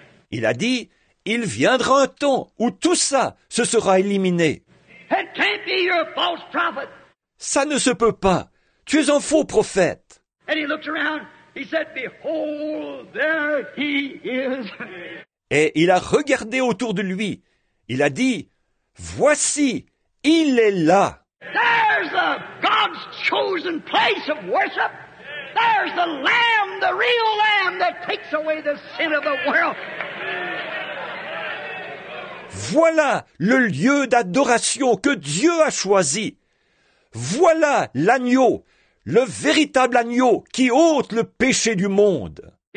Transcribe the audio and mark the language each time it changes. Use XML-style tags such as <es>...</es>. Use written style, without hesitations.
<fr>Il a dit, il viendra un temps où tout ça se sera éliminé.</fr> <en>It can't be your false prophet.</en> <fr>Ça ne se peut pas. Tu es un faux prophète.</fr> <en>And he looked around. He said, "Behold, there he is."</en> <fr>Et il a regardé autour de lui. Il a dit, "Voici, il est là."</fr> <en>There's the God's chosen place of worship. There's the Lamb, the real Lamb that takes away the sin of the world.</en> <fr>Voilà le lieu d'adoration que Dieu a choisi. Voilà l'agneau, le véritable agneau qui ôte le péché du monde.</fr>